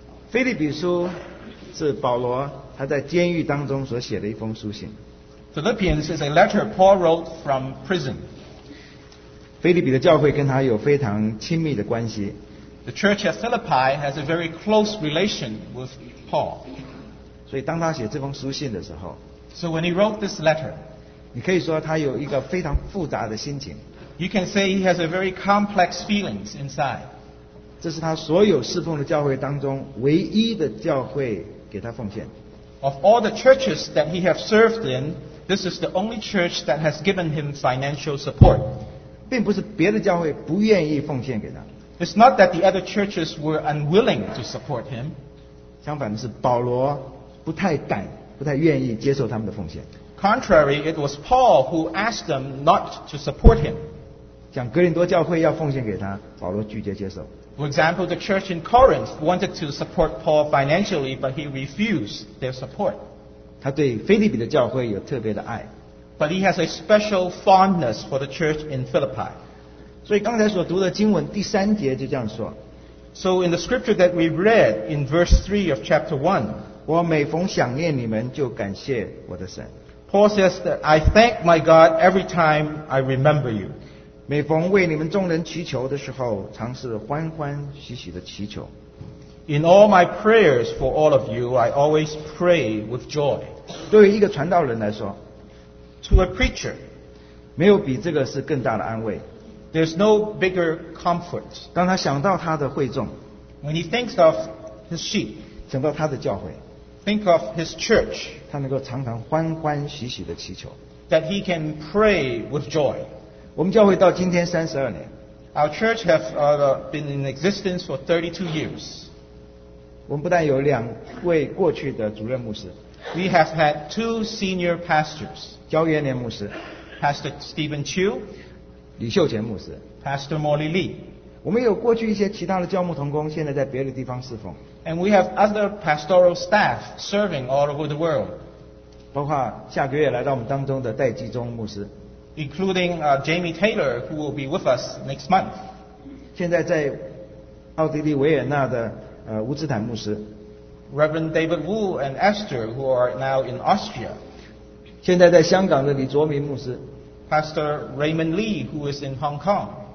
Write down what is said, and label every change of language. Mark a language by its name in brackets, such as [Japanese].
[Chinese] 腓立比书是保罗他在监狱当中所写的一封书信。 [English] Philippians is a letter Paul wrote from prison. [Chinese] 腓立比的教会跟他有非常亲密的关系。 [English] The church at Philippi has a very close relation with Paul. [Chinese] 所以当他写这封书信的时候 [English] ，So when he wrote this letter， [Chinese] 你可以说他有一个非常复杂的心情。 [English] You can say he has a very complex feelings inside. [Chinese] 这是他所有侍奉的教会当中唯一的教会给他奉献。 [English] Of all the churches that he has served in, this is the only church that has given him financial support. [Chinese] 并不是别的教会不愿意奉献给他。 [English] It's not that the other churches were unwilling to support him. [Chinese] 相反的是保罗不太敢不太愿意接受他们的奉献。 [English] Contrary, it was Paul who asked them not to support him. [Chinese] 像哥林多教会要奉献给他保罗拒绝接受。 [English] For example, the church in Corinth wanted to support Paul financially, but he refused their support. [Chinese] 他对腓立比的教会有特别的爱。 [English] But he has a special fondness for the church in Philippi. [Chinese] 所以刚才所读的经文第三节就这样说。 [English] So in the scripture that we read in verse 3 of chapter 1, [Chinese] 我每逢想念你们就感谢我的神。 [English] Paul says that I thank my God every time I remember you. [Chinese] 每逢为你们众人祈求的时候常是欢欢喜喜的祈求。 [English] In all my prayers for all of you, I always pray with joy. [Chinese] 对于一个传道人来说 [English] To a preacher, [Chinese] 没有比这个是更大的安慰。 [English] There's no bigger comfort. [Chinese] 当他想到他的会众 [English] When he thinks of his sheep, [Chinese] 想到他的教会 [English] Think of his church, [Chinese] 他能够常常欢欢喜喜的祈求 [English] That he can pray with joy. [Chinese] 我们教会到今天32年 [English] Our church has been in existence for 32 years. [Chinese] 我们不但有两位过去的主任牧师 [English] We have had two senior pastors. [Chinese] 焦元年牧师 [English] Pastor Stephen Chu. [Chinese] 李秀全牧师 [English] Pastor Molly Lee [Chinese] 我们有过去一些其他的教牧同工现在在别的地方侍奉 [English] And we have other pastoral staff serving all over the world [Chinese] 包括下个月来到我们当中的戴季中牧师 [English] Including Jamie Taylor who will be with us next month [Chinese] 现在在奥地利维也纳的乌兹坦牧师 [English] Reverend David Wu and Esther who are now in Austria [Chinese] 现在在香港的李卓明牧师 [English] Pastor Raymond Lee, who is in Hong Kong.